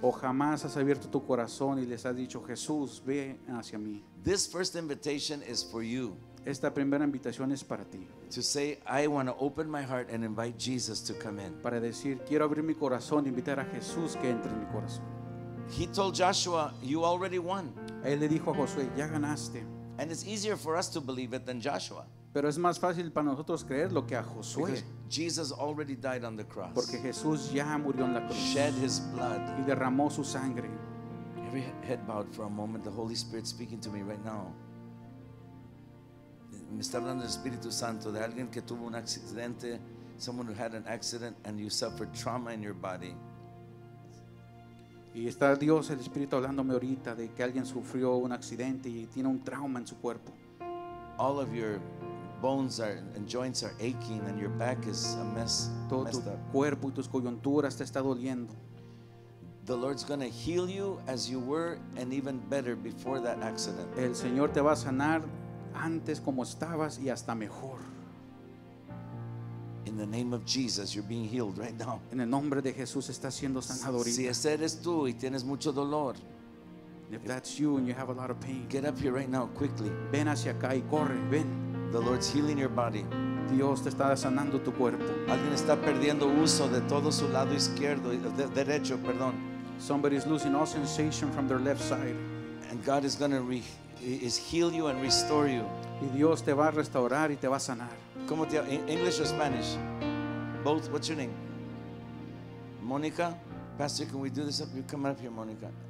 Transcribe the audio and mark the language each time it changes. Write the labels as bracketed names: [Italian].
[Spanish] O jamás has abierto tu corazón y les has dicho, "Jesús, ve hacia mí." [English] This first invitation is for you. [Spanish] Esta primera invitación es para ti. [English] To say, "I want to open my heart and invite Jesus to come in." [Spanish] Para decir, quiero abrir mi corazón, invitar a Jesús que entre en mi corazón. [English] He told Joshua, "You already won." [Spanish] Él le dijo a Josué, ya ganaste. [English] And it's easier for us to believe it than Joshua. [Spanish] Pero es más fácil para nosotros creerlo que a Josué. [English] Because Jesus already died on the cross. [Spanish] Porque Jesús ya murió en la cruz. [English] Shed his blood. [Spanish] Y derramó su sangre. [English] Every head bowed for a moment, the Holy Spirit speaking to me right now. [Spanish] Me está hablando el Espíritu Santo de alguien que tuvo un accidente, [English] someone who had an accident and you suffered trauma in your body. [Spanish] Y está Dios, el Espíritu, hablándome ahorita de que alguien sufrió un accidente y tiene un trauma en su cuerpo. [English] All of your bones are, and joints are aching and your back is a mess. [Spanish] Todo tu cuerpo y tus coyunturas te está doliendo. [English] The Lord's going to heal you as you were and even better before that accident. [Spanish] El Señor te va a sanar antes como estabas y hasta mejor. [English] In the name of Jesus, you're being healed right now. [Spanish] En el nombre de Jesús estás siendo sanado ahorita. Si ese eres tú y tienes mucho dolor, [English] if that's you and you have a lot of pain, get up here right now quickly. [Spanish] Ven hacia acá y corre, ven. [English] The Lord's healing your body. [Spanish] Dios te está sanando tu cuerpo. Alguien está perdiendo uso de todo su lado izquierdo, derecho, perdón. [English] Somebody's losing all sensation from their left side. And God is going to heal you and restore you. [Spanish] Y Dios te va a restaurar y te va a sanar. ¿Cómo te llamas? [English] English or Spanish? Both. What's your name? Monica. Pastor, can we do this up? You come up here, Monica.